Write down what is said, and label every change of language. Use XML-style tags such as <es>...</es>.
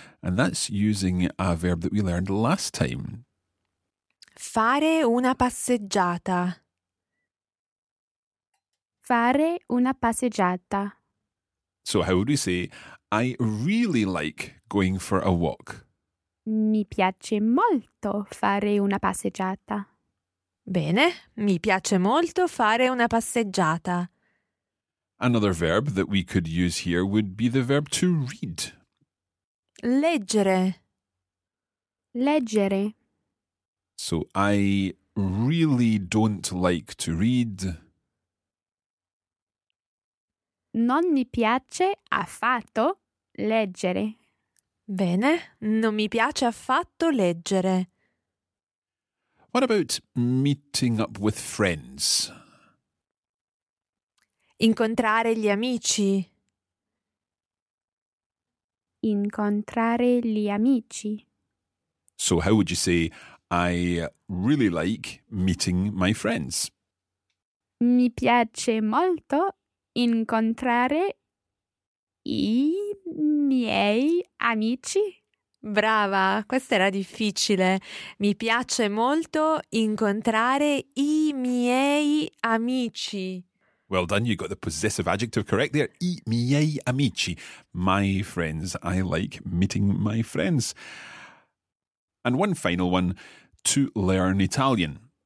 <en>And that's using a verb that we learned last time.</en> <it>Fare una passeggiata. Fare una passeggiata.</it> <en>So how would we say, I really like going for a walk?</en> <it>Mi piace molto fare una passeggiata. Bene, mi piace molto fare una passeggiata.</it> <en>Another verb that we could use here would be the verb to read.</en> <it>Leggere. Leggere.</it> <en>So, I really don't like to read.</en> <it>Non mi piace affatto leggere. Bene, non mi piace affatto leggere.</it> <en>What about meeting up with friends?</en> <it>Incontrare gli amici. Incontrare gli amici.</it> <en>So how would you say I really like meeting my friends?</en> <it>Mi piace molto incontrare i miei amici. Brava, questa era difficile. Mi piace molto incontrare i miei amici.</it> <en>Well done, you got the possessive adjective correct there.</en> <it>I miei amici.</it> <en>My friends, I like meeting my friends. And one final one, to learn Italian.</en>